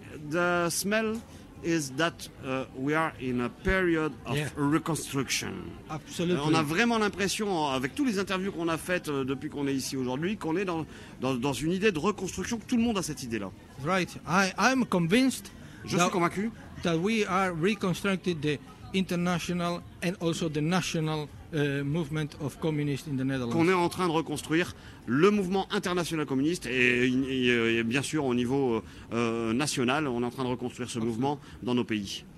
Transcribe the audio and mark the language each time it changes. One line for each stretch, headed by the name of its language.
English: The smell is that we are in a period of reconstruction. Absolutely.
French: On a vraiment l'impression, avec tous les interviews qu'on a faites depuis qu'on est ici aujourd'hui, qu'on est dans une idée de reconstruction, que tout le monde a cette idée-là.
English: Right. I'm convinced.
French: Je suis convaincu.
English: That we are reconstructing the international and also the national movement of communists in the Netherlands.
French: Qu'on est en train de reconstruire le mouvement international communiste et bien sûr au niveau national, on est en train de reconstruire ce mouvement dans nos pays.